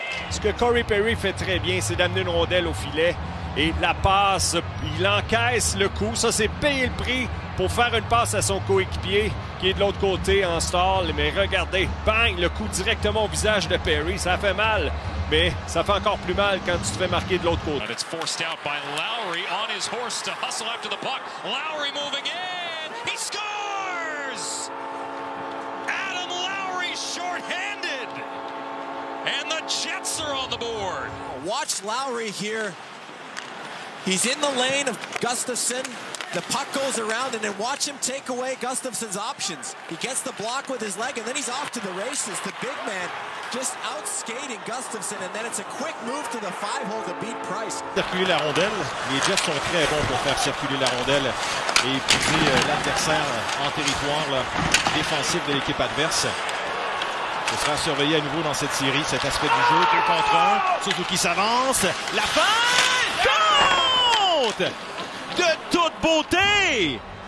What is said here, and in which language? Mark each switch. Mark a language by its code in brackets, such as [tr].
[fr] Ce que Corey Perry fait très bien, c'est d'amener une rondelle au filet. Et la passe, il encaisse le coup. Ça, c'est payer le prix pour faire une passe à son coéquipier qui est de l'autre côté en stall. Mais regardez, bang, le coup directement au visage de Perry. Ça fait mal, mais ça fait encore plus mal quand tu te fais marquer de l'autre côté. [en] It's forced out by Lowry on his horse to hustle after the puck. Lowry moving in. He scores! Adam Lowry shorthanded. And the Jets are on the board. Watch Lowry here. He's in the lane of Gustafsson. The puck goes around, and then watch him take away Gustafsson's options. He gets the block with his leg, and then he's off to the races. The big man just outskating Gustafsson, and then it's a quick move to the five hole to beat Price. [fr] Circuler la rondelle. Les Jets sont très bons pour faire circuler la rondelle et puis l'adversaire en territoire là, défensif de l'équipe adverse. Ce sera surveillé à nouveau dans cette série, cet aspect du jeu. 2 contre 1. Suzuki s'avance. La fin! Compte! De toute beauté!